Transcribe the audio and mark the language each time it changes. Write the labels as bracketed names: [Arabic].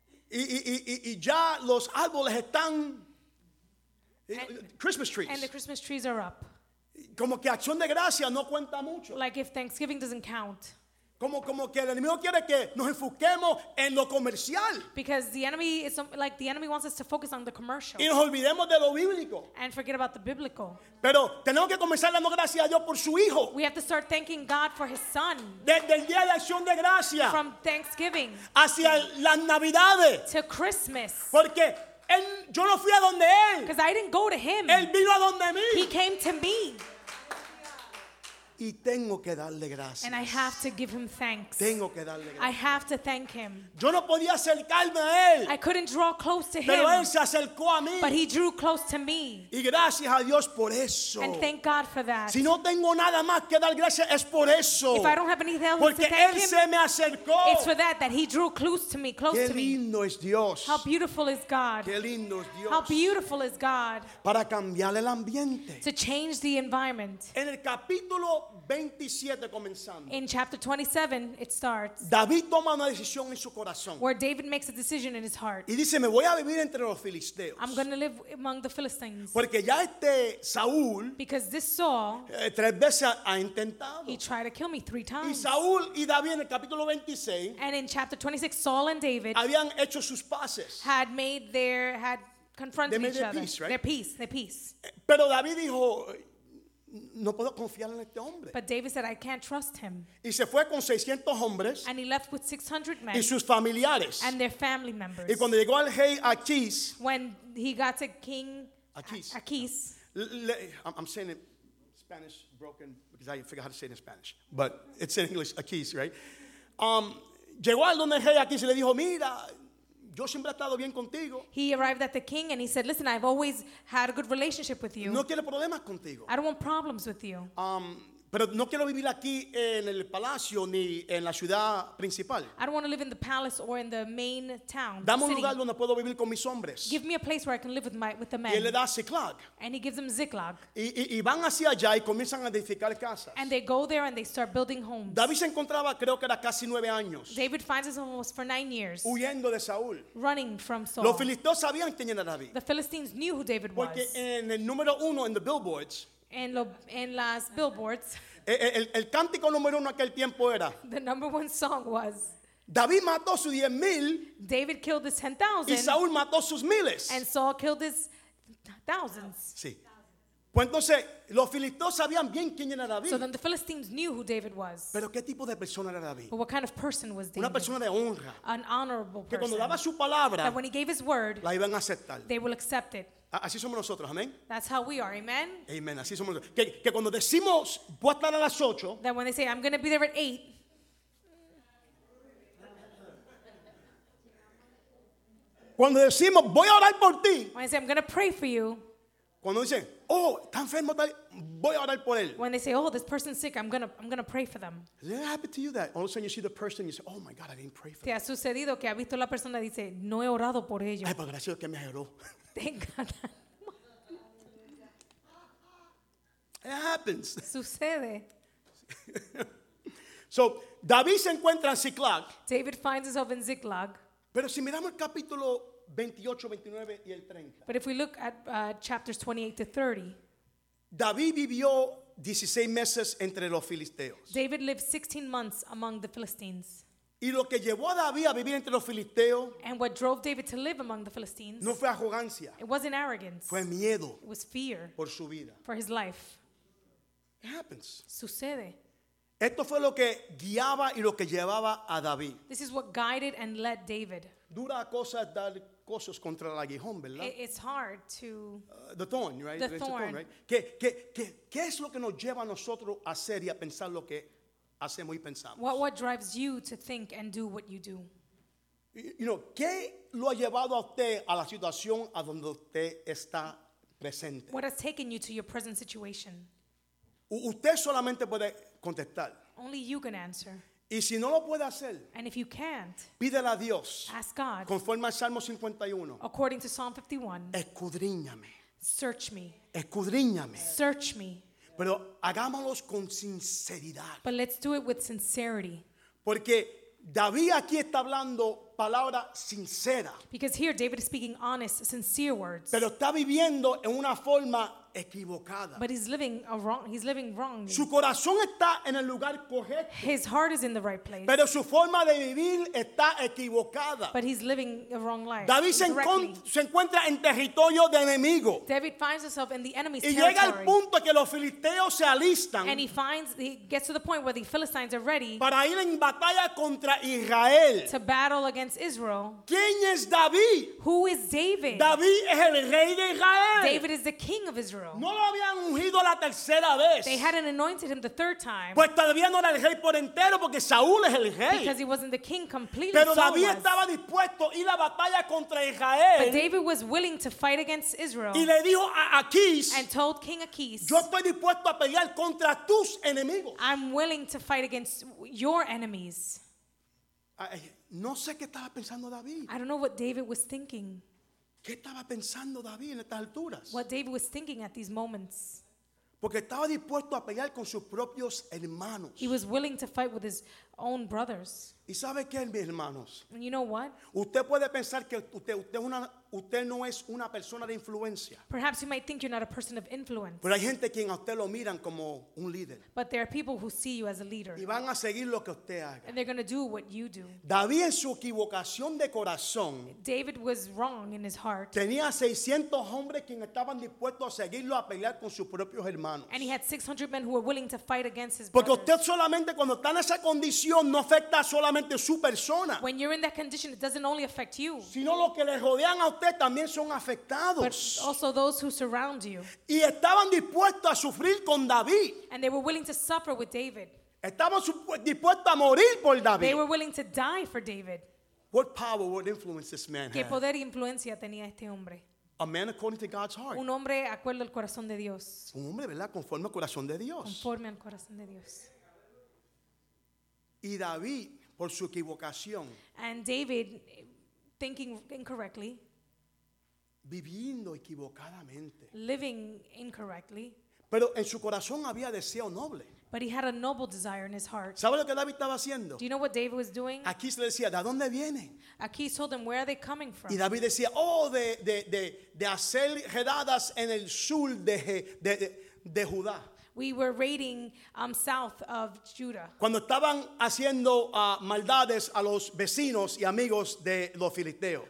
[Spanish] Y ya los árboles están. [English] Christmas trees. And the Christmas trees are up. [Spanish] Como que Acción de Gracia no cuenta mucho. [English] Like if Thanksgiving doesn't count. [Spanish] Como que el enemigo quiere que nos enfoquemos en lo comercial. [English] Because the enemy is like the enemy wants us to focus on the commercial. [Spanish] Y nos olvidemos de lo bíblico. [English] And forget about the biblical. [Spanish] Pero tenemos que comenzar dando gracias a Dios por su hijo. [English] We have to start thanking God for his son. [Spanish] Desde el día de Acción de Gracia. [English] From Thanksgiving. [Spanish] Hacia las Navidades. [English] To Christmas. [Spanish] Porque él, yo no fui a donde él. [English] Because I didn't go to him. [Spanish] Él vino a donde mí. [English] He came to me. [Spanish] Y tengo que darle gracias. [English] And I have to give him thanks. [Spanish] Tengo que darle gracias. [English] I have to thank him. [Spanish] Yo no podía acercarme a él. [English] I couldn't draw close to [Spanish] pero [English] him. [Spanish] Pero él se acercó a mí. [English] But he drew close to me. [Spanish] Y gracias a Dios por eso. [English] And thank God for that. [Spanish] Si no tengo nada más que dar gracias es por eso. [English] If I don't have anything else [Spanish] porque [English] to thank [Spanish] él [English] him, [Spanish] se me acercó. [English] It's for that he drew close to me, close to me. [Spanish] Qué lindo es Dios. [English] How beautiful is God. [Spanish] Qué lindo es Dios. [English] How beautiful is God. [Spanish] Para cambiar el ambiente. [English] To change the environment. [Spanish] En el capítulo 27 comenzando. [English] In chapter 27 it starts. [Spanish] David toma una decisión en su corazón. [English] Where David makes a decision in his heart. [Spanish] Y dice, me voy a vivir entre los filisteos. [English] I'm going to live among the Philistines. [Spanish] Porque ya este Saúl, [English] because this Saul, [Spanish] tres veces ha intentado. [English] He tried to kill me 3 times. [Spanish] Y Saúl y David en el capítulo 26. [English] And in chapter 26 Saul and David [Spanish] habían hecho sus paces. [English] Had made their had confronted [Spanish] they made [English] each [Spanish] their [English] other. [Spanish] Peace, right? [English] Their peace. [Spanish] Pero David dijo, no puedo confiar en este hombre. [English] But David said, I can't trust him. [Spanish] Y se fue con 600 hombres. [English] And he left with 600 men. [Spanish] Y sus familiares. [English] And their family members. [Spanish] Y cuando llegó al rey Achis. [English] When he got to King Achis. I'm saying it Spanish broken because I forgot how to say it in Spanish. But it's in English, Achis, right? [Spanish] Llegó al donde el rey Achis y le dijo, mira, yo siempre he estado bien contigo. [English] He arrived at the king and he said, listen, I've always had a good relationship with you. [Spanish] No quiero problemas contigo. [English] I don't want problems with you. [Spanish] Pero no quiero vivir aquí en el palacio ni en la ciudad principal. [English] I don't want to live in the palace or in the main town. [Spanish] Dame un lugar donde puedo vivir con mis hombres. [English] Give me a place where I can live with the men. [Spanish] Y él le da Ziklag. [English] And he gives them Ziklag. [Spanish] Y van hacia allá y comienzan a edificar casas. [English] And they go there and they start building homes. [Spanish] David se encontraba, creo que era casi 9 años. [English] David finds himself almost for 9 years. [Spanish] Huyendo de Saúl. [English] Running from Saul. [Spanish] Los filisteos sabían quién era David. [English] The Philistines knew who David was. [Spanish] Porque en el número uno en [English] the billboards. [Spanish] En las billboards. El cántico número uno aquel tiempo era. [English] The number one song was. [Spanish] David mató sus 10,000. [English] David killed his 10,000. [Spanish] Y Saúl mató sus miles. [English] And Saul killed his thousands. [Spanish] Sí. Pues entonces los filisteos sabían bien quién era David. [English] So then the Philistines knew who David was. [Spanish] Pero qué tipo de persona era David. [English] But what kind of person was David? [Spanish] Una persona de honra. [English] An honorable person. [Spanish] Que cuando daba su palabra. [English] That when he gave his word. [Spanish] La iban a aceptar. [English] They will accept it. [Spanish] Así somos nosotros, amén. [English] That's how we are, amen. [Spanish] Amen. Así somos nosotros. Que cuando decimos voy a estar a las 8. [English] That when they say I'm going to be there at 8. [Spanish] Cuando decimos voy a orar por ti. [English] When they say I'm going to pray for you. [Spanish] Cuando dicen, oh, está enfermo, voy a orar por él. [English] When they say, oh, this person's sick, I'm gonna pray for them. Has it happened to you that all of a sudden you see the person and you say, oh my God, I didn't pray for them? [Spanish] ¿Te ha sucedido que ha visto la persona y dice, no he orado por ellos? Ay, pues gracias que me oró. [English] Thank God. It happens. [Spanish] Sucede. So David se encuentra en Ziklag. [English] David finds himself in Ziklag. [Spanish] Pero si miramos el capítulo 28, 29 y el 30. [English] But if we look at chapters 28 to 30. [Spanish] David vivió 16 meses entre los filisteos. [English] David lived 16 months among the Philistines. [Spanish] Y lo que llevó a David a vivir entre los filisteos, [English] and what drove David to live among the Philistines, [Spanish] no fue arrogancia, [English] it wasn't arrogance, [Spanish] fue miedo, [English] it was fear, [Spanish] por su vida, [English] for his life. It happens. [Spanish] Sucede. Esto fue lo que guiaba y lo que llevaba a David. [English] This is what guided and led David. [Spanish] Dura cosa es dar cosas contra el aguijón, ¿verdad? [English] It's hard to the thorn, right? The thorn, thorn, right? [Spanish] ¿Qué es lo que nos lleva a nosotros a hacer y a pensar lo que hacemos y pensamos? [English] What drives you to think and do what you do? You know, [Spanish] ¿qué lo ha llevado a usted a la situación a donde usted está presente? [English] What has taken you to your present situation? [Spanish] Usted solamente puede contestar. [English] Only you can answer. [Spanish] Y si no lo puede hacer, [English] and if you can't, [Spanish] pídele a Dios, [English] ask God, [Spanish] conforme al Salmo 51, [English] according to Psalm 51, [Spanish] escudriñame, [English] search me, [Spanish] escudriñame, [English] search me. [Spanish] Pero hagámoslos con sinceridad. [English] But let's do it with sincerity. [Spanish] Porque David aquí está hablando palabra sincera. [English] Because here David is speaking honest, sincere words. [Spanish] Pero está viviendo en una forma equivocada. [English] But he's living wrong. [Spanish] Su corazón está en el lugar correcto. [English] His heart is in the right place. [Spanish] Pero su forma de vivir está equivocada. [English] But he's living a wrong life. [Spanish] David se encuentra en territorio de enemigo. [English] David finds himself in the enemy's territory. [Spanish] Y llega al punto que los filisteos se alistan. [English] And he gets to the point where the Philistines are ready. [Spanish] Para ir en batalla contra Israel. [English] To battle against Israel. [Spanish] ¿Quién es David? [English] Who is David? [Spanish] David es el rey de Israel. [English] David is the king of Israel. [Spanish] No lo habían ungido la tercera vez. [English] They hadn't anointed him the third time. [Spanish] Pues todavía no era el rey por entero porque Saúl es el rey. [English] Because he wasn't the king completely. [Spanish] Pero David estaba dispuesto a ir a la batalla contra Israel. [English] But David was willing to fight against Israel. [Spanish] Y le dijo a Aquis, [English] and told King Aquis, [Spanish] yo estoy dispuesto a pelear contra tus enemigos. [English] I'm willing to fight against your enemies. [Spanish] No sé qué estaba pensando David. [English] I don't know what David was thinking. [Spanish] ¿Qué estaba pensando David en estas alturas? [English] What David was thinking at these moments. [Spanish] Porque estaba dispuesto a pelear con sus propios hermanos. [English] He was willing to fight with his own brothers. [Spanish] ¿Y sabe qué, mis hermanos? [English] And you know what? [Spanish] Usted puede pensar que usted no es una persona de influencia. [English] Perhaps you might think you're not a person of influence. [Spanish] Pero hay gente quien a usted lo miran como un líder. [English] But there are people who see you as a leader. [Spanish] Y van a seguir lo que usted haga. [English] And they're going to do what you do. [Spanish] David en su equivocación de corazón. [English] David was wrong in his heart. [Spanish] Tenía 600 hombres quien estaban dispuestos a seguirlo a pelear con sus propios hermanos. [English] And he had 600 men who were willing to fight against his [Spanish] Porque [English] brothers. [Spanish] Usted solamente cuando está en esa condición no afecta solamente su persona. [English] When you're in that condition it doesn't only affect you. [Spanish] Sino lo que le rodean a usted también son afectados. [English] But also those who surround you. [Spanish] Y estaban dispuestos a sufrir con David. [English] And they were willing to suffer with David. [Spanish] Estaban dispuestos a morir por David. [English] They were willing to die for David. What power, what influence this man [Spanish] ¿Qué [English] had? [Spanish] Poder e influencia tenía este hombre? [English] A man according to God's heart. [Spanish] Un hombre acuerdo al corazón de Dios. Un hombre, ¿verdad? Conforme al corazón de Dios. Conforme al corazón de Dios. Y David, por su equivocación. [English] And David, thinking incorrectly. [Spanish] Viviendo equivocadamente. [English] Living incorrectly. [Spanish] Pero en su corazón había deseo noble. [English] But he had a noble desire in his heart. [Spanish] ¿Sabe lo que David estaba haciendo? [English] Do you know what David was doing? [Spanish] Aquí se le decía, ¿de dónde vienen? [English] Aquí told him, where are they coming from? [Spanish] Y David decía, oh, de hacer redadas en el sur de Judá. [English] We were raiding south of Judah. [Spanish] Cuando estaban haciendo maldades a los vecinos y amigos de los filisteos.